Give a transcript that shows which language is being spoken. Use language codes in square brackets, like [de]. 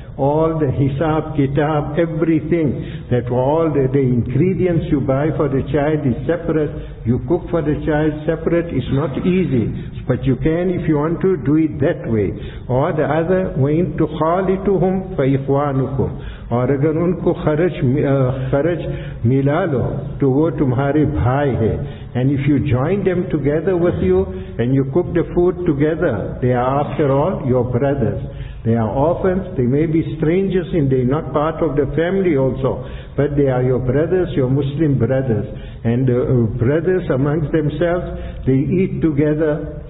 [en] All the hisab, kitab, everything, that all the ingredients you buy for the child is separate, you cook for the child separate, it's not easy. But you can, if you want to, do it that way. Or the other, [ar] وَإِن تُخَالِتُهُمْ فَإِخْوَانُكُمْ. [ur] اور اگر ان کو خرج ملا لو تو وہ تمہارے بھائی ہے. [en] And if you join them together with you, and you cook the food together, they are after all your brothers. They are orphans, they may be strangers, and they are not part of the family also. But they are your brothers, your Muslim brothers. And the brothers amongst themselves, they eat together.